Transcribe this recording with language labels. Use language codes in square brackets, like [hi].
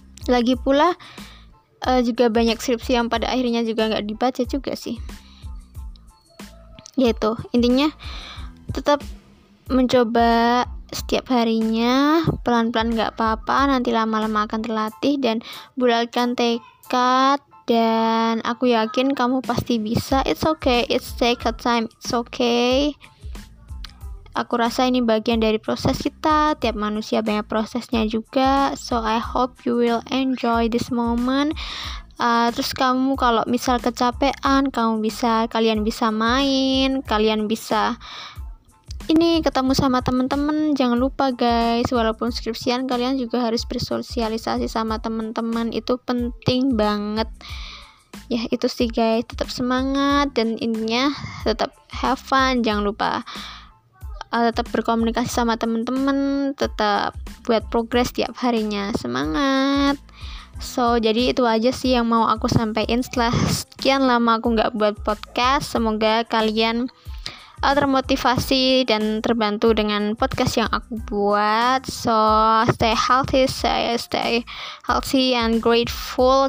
[id] Lagi pula juga banyak skripsi yang pada akhirnya juga gak dibaca juga sih. Yaitu intinya tetap mencoba setiap harinya, pelan-pelan gak apa-apa, nanti lama-lama akan terlatih. Dan bulatkan tekad, dan aku yakin kamu pasti bisa. [en] It's okay, it's take a time, it's okay. [id] Aku rasa ini bagian dari proses kita. Tiap manusia banyak prosesnya juga. [en] So I hope you will enjoy this moment. [id] Terus kamu kalau misal kecapean, kalian bisa main, kalian bisa ini, ketemu sama teman-teman, jangan lupa guys, walaupun skripsian kalian juga harus bersosialisasi sama teman-teman, itu penting banget. Ya itu sih guys, tetap semangat dan intinya tetap have fun, jangan lupa tetap berkomunikasi sama teman-teman, tetap buat progres tiap harinya, semangat. So, jadi itu aja sih yang mau aku sampaikan setelah sekian lama aku gak buat podcast. Semoga kalian termotivasi dan terbantu dengan podcast yang aku buat. [en] So, stay healthy, stay healthy and grateful.